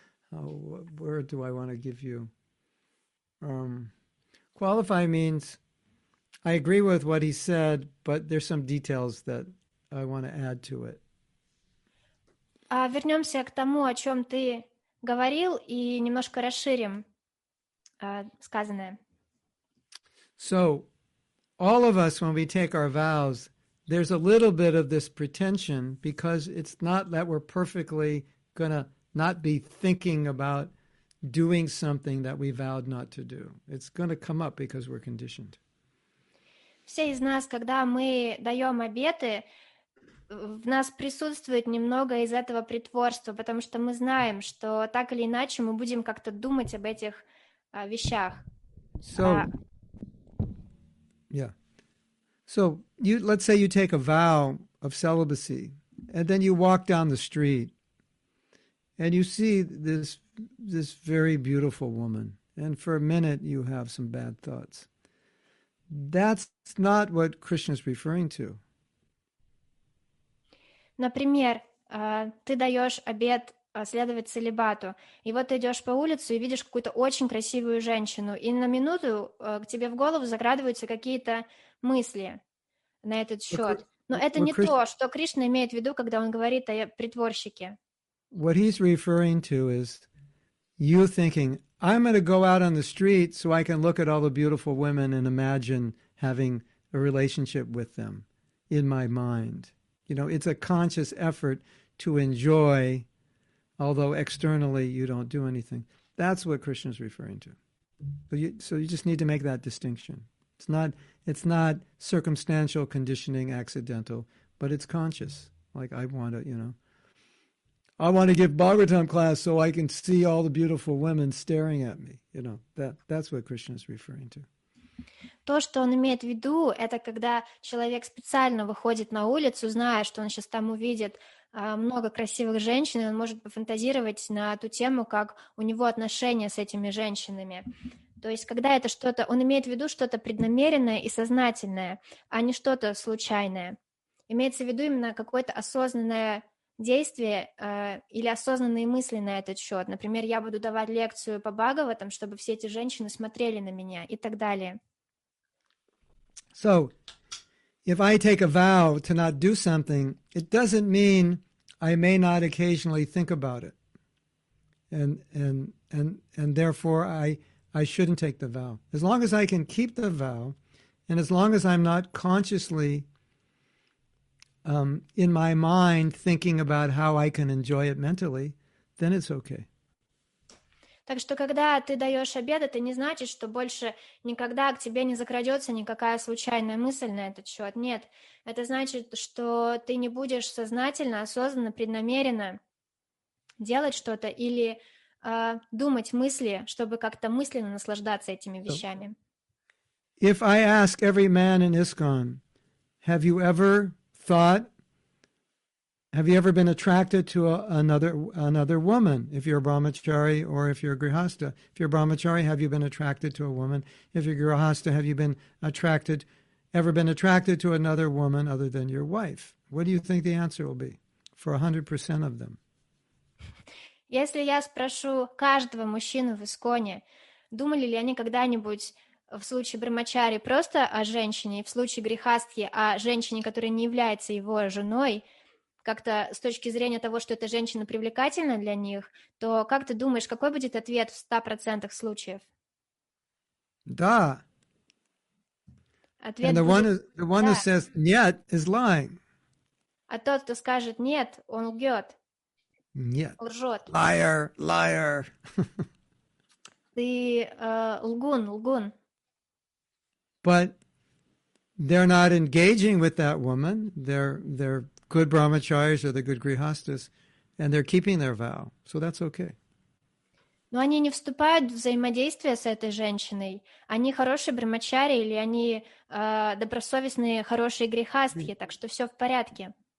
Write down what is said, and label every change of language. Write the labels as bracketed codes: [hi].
[en] What word do I want to give you? Qualify means I agree with what he said, but there's some details that I want to add to it. [ru] Вернемся к тому, о чем ты говорил, и немножко расширим сказанное. [en] So, all of us, when we take our vows, there's a little bit of this pretension because it's not that we're perfectly going to not be thinking about doing something that we vowed not to do. It's going to come up because we're conditioned. [ru] Все из нас, когда мы даем обеты, в нас присутствует немного из этого притворства, потому что мы знаем, что так или иначе мы будем как-то думать об этих вещах. [en] So you, let's say you take a vow of celibacy, and then you walk down the street, and you see this very beautiful woman, and for a minute you have some bad thoughts. That's not what Krishna is referring to. [ru] Например, ты даешь обет следовать целибату. И вот ты идешь по улице и видишь какую-то очень красивую женщину. И на минуту к тебе в голову закрадываются какие-то мысли на этот счет. Но это не то, что Кришна имеет в виду, когда он говорит о притворщике. [en] What he's referring to is you thinking, I'm going to go out on the street so I can look at all the beautiful women and imagine having a relationship with them in my mind. You know, it's a conscious effort to enjoy, although externally you don't do anything. That's what Krishna's referring to. So you just need to make that distinction. It's not circumstantial, conditioning, accidental, but it's conscious. Like I want to give Bhagavatam class so I can see all the beautiful women staring at me. You know, that's what Krishna is referring to. [ru] То, что он имеет в виду, это когда человек специально выходит на улицу, зная, что он сейчас там увидит много красивых женщин, и он может пофантазировать на ту тему, как у него отношения с этими женщинами. То есть, когда это что-то, он имеет в виду что-то преднамеренное и сознательное, а не что-то случайное. Имеется в виду именно какое-то осознанное действие или осознанные мысли на этот счет. Например, я буду давать лекцию по Бхагаватам, чтобы все эти женщины смотрели на меня и так далее. [en] So, if I take a vow to not do something, it doesn't mean I may not occasionally think about it. And therefore I shouldn't take the vow. As long as I can keep the vow, and as long as I'm not consciously in my mind thinking about how I can enjoy it mentally, then it's okay. [ru] Так что, когда ты даешь обед, это не значит, что больше никогда к тебе не закрадется никакая случайная мысль на этот счет. Нет, это значит, что ты не будешь сознательно, осознанно, преднамеренно делать что-то или думать мысли, чтобы как-то мысленно наслаждаться этими вещами. [en] If I ask every man in ISKCON, have you ever thought, have you ever been attracted to another woman? If you're a brahmachari or if you're a grihastha, if you're a brahmachari, have you been attracted to a woman? If you're a grihastha, have you been attracted, ever been attracted to another woman other than your wife? What do you think the answer will be for 100% of them? [ru] Если я спрошу каждого мужчину в Исконе, думали ли они когда-нибудь в случае брахмачари просто о женщине, и в случае грехастхи о женщине, которая не является его женой, как-то с точки зрения того, что эта женщина привлекательна для них, то как ты думаешь, какой будет ответ в 100% случаев? Да. Ответ [en] And the [ru] будет... [en] one who says [ru] нет [en] is lying. [ru] А тот, кто скажет нет, он лгет. Нет. Лжет. [en] Liar. [ru] Ты лгун. But they're not engaging with that woman. They're good brahmacharis or the good grihasthas, and they're keeping their vow. So that's okay. Но они не вступают в взаимодействие с этой женщиной. Они хорошие брахмачари или они добросовестные хорошие грихастхи, так что все в порядке.